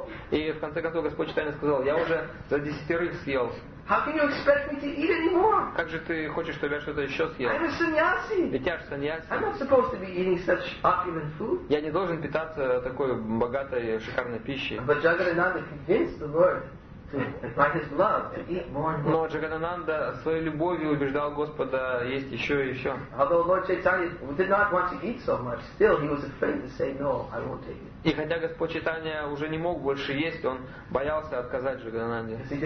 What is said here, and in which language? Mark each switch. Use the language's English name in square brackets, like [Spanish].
[Russian] И в конце концов Господь Чайтанья сказал, я уже за десятерых съел. [English] How can you expect me to eat anymore? [Russian] Как же ты хочешь, чтобы я что-то еще съел? [English] I'm a sannyasi. [Russian] Ведь я же саньяси. [English] I'm not supposed to be eating such opulent food. [Russian] Я не должен питаться такой богатой шикарной пищей. [English] But Jagannatha convinced the Lord by his love to eat more and more. [Russian] Но Джагананда своей любовью убеждал Господа есть еще и еще. [English] Although Lord Chaitanya did not want to eat so much, still he was afraid to say no, I won't take it. [Russian] И хотя Господь Чайтанья уже не мог больше есть, он боялся отказать Джагананде.